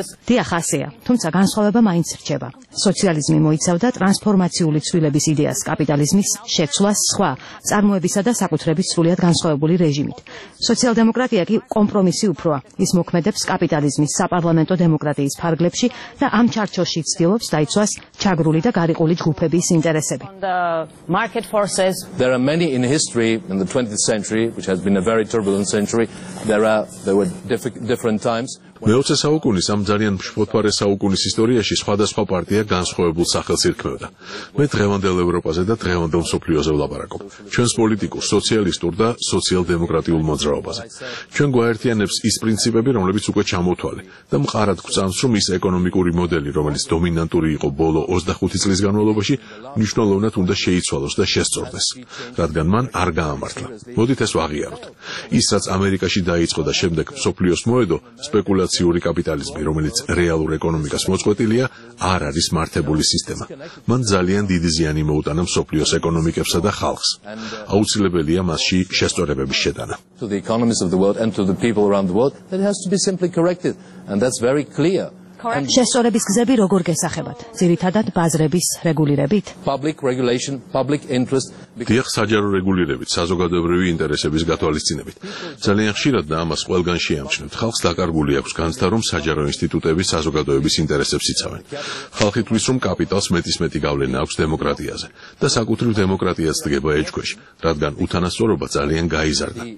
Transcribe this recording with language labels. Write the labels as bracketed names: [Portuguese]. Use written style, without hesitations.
[Georgian] დიახ, ასეა, თუმცა განსხვავება მაინც რჩება. სოციალიზმი მოიცავდა ტრანსფორმაციული ცვლილების იდეას კაპიტალიზმის შეცვლა სხვა წარმოებისა და საკუთრების სრულად განსხვავებული რეჟიმით. სოციალ-დემოკრატია კი კომპრომისი უფროა. ის მოქმედებს კაპიტალიზმის საპარლამენტო დემოკრატიის ფარგლებში და ამ ჩარჩოში ცდილობს დაიცვას ჩაგრული და გარიყული ჯგუფების ინტერესები. [English] There are many in history in the 20th century which has been a very turbulent century. There were different times. [Georgian] მეოცე საუკუნის ამ ძალიან შფოთფარე საუკუნის ისტორიაში სხვადასხვა პარტია განსხვავებულ სახელს ირქმევდა. მე დღევანდელ ევროპაზე და დღევანდელ მსოფლიოზე ვლაპარაკობ. ჩვენს პოლიტიკურ, სოციალისტურ და სოციალ-დემოკრატიულ მოძრაობაზე. ჩვენ გვაერთიანებს ის პრინციპები, რომლებიც უკვე ჩამოთვალე და მყარად გვწამს, რომ ის ეკონომიკური მოდელი, რომელიც დომინანტური იყო ბოლო 25 წლის განმავლობაში, მნიშვნელოვნად უნდა შეიცვალოს და შესწორდეს, რადგან მან არ გაამართლა. მოდით ეს ვაღიაროთ. ისაც ამერიკაში დაიწყო და შემდეგ მსოფლიოს მოედო სპეკულაციებს სპეკულაციური კაპიტალიზმი, რომელიც რეალურ ეკონომიკას მოწყვეტილია, არ არის მართებული სისტემა. მან ძალიან დიდი ზიანი მოუტანა მსოფლიოს ეკონომიკებსა და ხალხს. აუცილებელია მასში შესწორებების შეტანა. [English] To the economists of the world and to the people around the world that it has to be simply corrected and that's very clear. [Georgian] შესწორების გზები როგორ გასახებათ? ძირითადად ბაზრების რეგულირებით. [English] Public regulation, public interest. [Georgian] დიახ, საჯარო რეგულირებით, საზოგადოებრივი ინტერესების გათვალისწინებით. ძალიან ხშირად და ამას ყველგან შეამჩნევთ. ხალხს დაკარგული აქვს განცდა, რომ საჯარო ინსტიტუტები საზოგადოების ინტერესებს იცავენ. ხალხი თვლის, რომ კაპიტალს მეტისმეტი გავლენა აქვს დემოკრატიაზე და საკუთრივ დემოკრატიას დგება ეჭქვეშ, რადგან უთანასწორობა ძალიან გაიზარდა.